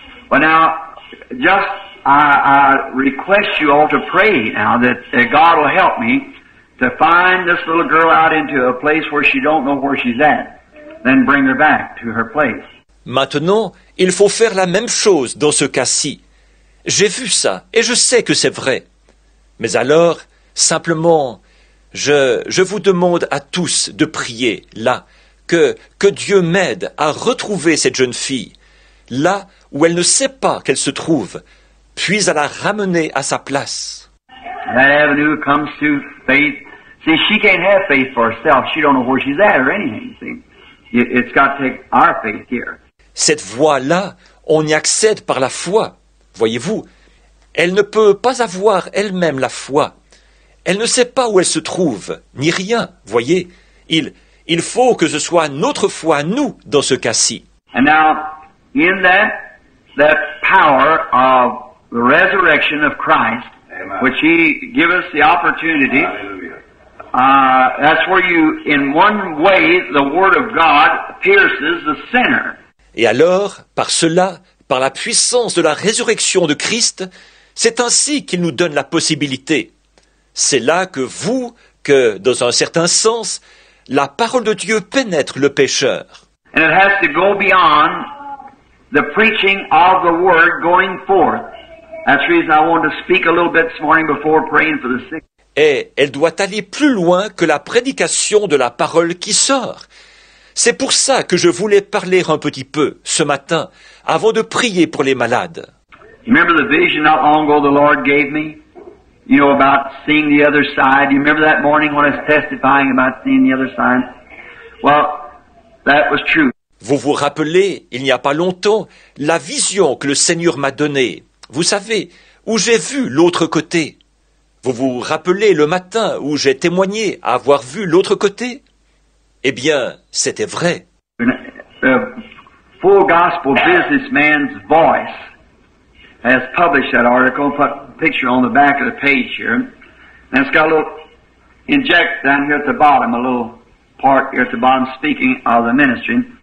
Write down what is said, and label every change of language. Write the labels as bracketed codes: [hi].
[en] But now, just I request you all to pray now that God will help me to find this little girl out into a place where she don't know where she's at. Then bring her back to her place. [fr] Maintenant, il faut faire la même chose dans ce cas-ci. J'ai vu ça, et je sais que c'est vrai. Mais alors, simplement, je vous demande à tous de prier là. Que Dieu m'aide à retrouver cette jeune fille, là où elle ne sait pas qu'elle se trouve, puis à la ramener à sa place. [en] That avenue comes to faith. See, she can't have faith for herself. She don't know where she's at or anything. See, it's got to take our faith here. [fr] Cette voie-là, on y accède par la foi. Voyez-vous, elle ne peut pas avoir elle-même la foi. Elle ne sait pas où elle se trouve, ni rien, voyez. Il faut que ce soit notre foi, nous, dans ce cas-ci. [en] And now, in that power of the resurrection of Christ, amen, which he gives us the opportunity, hallelujah, That's where you, in one way, the word of God pierces the sinner. [fr] Et alors, par cela, par la puissance de la résurrection de Christ, c'est ainsi qu'il nous donne la possibilité. C'est là que vous, que, dans un certain sens, la parole de Dieu pénètre le pécheur. [en] And it has to go beyond the preaching of the word going forth. That's the reason I wanted to speak a little bit this morning before praying for the sick. [fr] Et elle doit aller plus loin que la prédication de la parole qui sort. C'est pour ça que je voulais parler un petit peu ce matin, avant de prier pour les malades. [en] You remember the vision not long ago the Lord gave me? You know, about seeing the other side. You remember that morning when I was testifying about seeing the other side? Well, that was true. [fr] Vous vous rappelez, il n'y a pas longtemps, la vision que le Seigneur m'a donnée. Vous savez, où j'ai vu l'autre côté. Vous vous rappelez le matin où j'ai témoigné avoir vu l'autre côté? Eh bien, c'était vrai. [en] A full gospel businessman's voice has published that article, put a picture on the back of the page here. And it's got a little inject down here at the bottom, a little part here at the bottom speaking of the ministry.